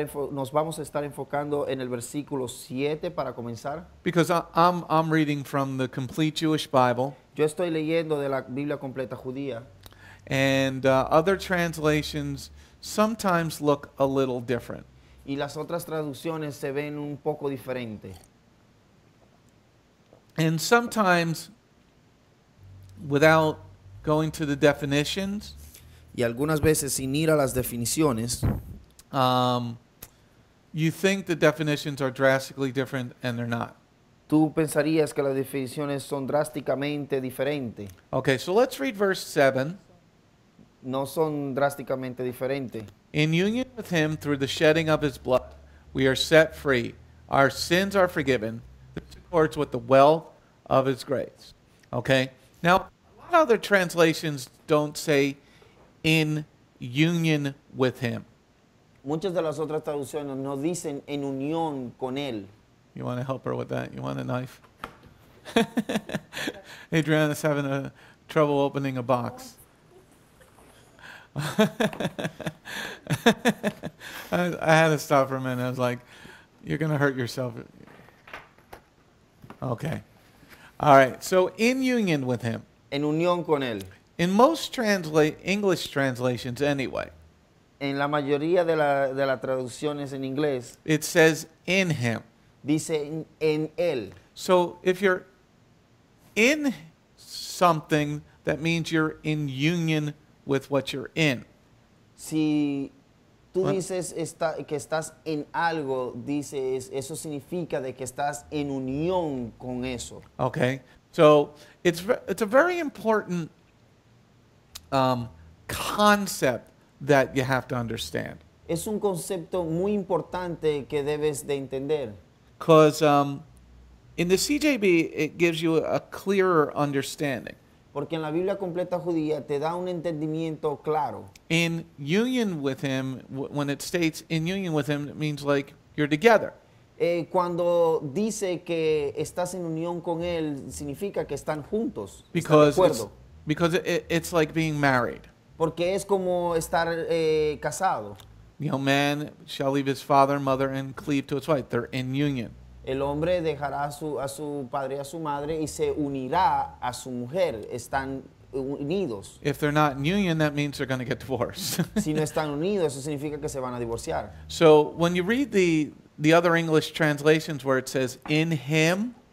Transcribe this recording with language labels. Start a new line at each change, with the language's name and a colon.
Spanish: Nos vamos a estar enfocando en el versículo 7 para comenzar.
English: Because I'm reading from the complete Jewish Bible.
Spanish: Yo estoy leyendo de la Biblia completa judía.
English: And other translations sometimes look a little different.
Spanish: Y las otras traducciones se ven un poco diferente.
English: And sometimes, without going to the definitions,
Spanish: y algunas veces sin ir a las definiciones,
English: you think the definitions are drastically different and they're not.
Spanish: Tú pensarías que las definiciones son drásticamente diferentes.
English: Okay, so let's read verse 7.
Spanish: No son drásticamente diferentes.
English: In union with him through the shedding of his blood, we are set free. Our sins are forgiven. This accords with the wealth of his grace. Okay? Now, a lot of other translations don't say in union with him.
Spanish: Muchas de las otras traducciones no dicen en unión con él.
English: You want to help her with that? You want a knife? Adriana is having trouble opening a box. I had to stop for a minute. I was like, you're going to hurt yourself. Okay. All right. So in union with him.
Spanish: En unión con él.
English: In most English translations anyway.
Spanish: En la mayoría de las traducciones en inglés.
English: It says in him.
Spanish: Dice en él.
English: So if you're in something, that means you're in union with what you're in.
Spanish: Si tú dices que estás en algo, dices, eso significa de que estás en unión con eso.
English: Okay. So it's a very important concept that you have to understand.
Spanish: Es un concepto muy importante que debes de entender.
English: Because in the CJB, it gives you a clearer understanding.
Spanish: Porque en la Biblia completa judía te da un entendimiento claro.
English: In union with him, when it states in union with him, it means like you're together.
Spanish: Cuando dice que estás en unión con él, significa que están juntos.
English: Because,
Spanish: están de acuerdo.
English: It's like being married.
Spanish: Porque es como estar casado.
English: You know, man shall leave his father and mother and cleave to his wife. They're in union.
Spanish: El hombre dejará a su padre y a su madre y se unirá a su mujer. Están unidos.
English: If they're not in union, that means they're going to get divorced.
Spanish: Si no están unidos, eso significa que se van a divorciar.
English: So when you read the other English translations where it says in him,